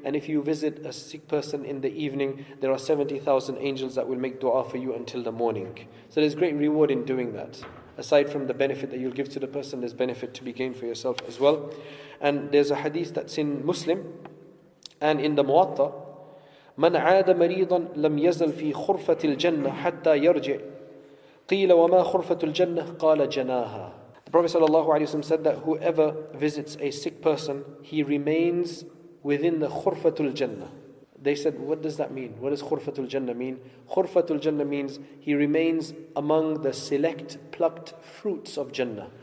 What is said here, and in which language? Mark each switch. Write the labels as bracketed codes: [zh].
[en] And if you visit a sick person in the evening, there are 70,000 angels that will make dua for you until the morning. So there's great reward in doing that. Aside from the benefit that you'll give to the person, there's benefit to be gained for yourself as well. And there's a hadith that's in Muslim and in the Muwatta. [ar] من عاد مريضا لم يزل في خرفة الجنة حتى يرجع قيل وما خرفة الجنة قال جناها. [en] The Prophet sallallahu alaihi wasallam said that whoever visits a sick person, he remains within the khurfatul jannah. They said, what does that mean? What does khurfatul jannah mean? Khurfatul jannah means he remains among the select plucked fruits of jannah.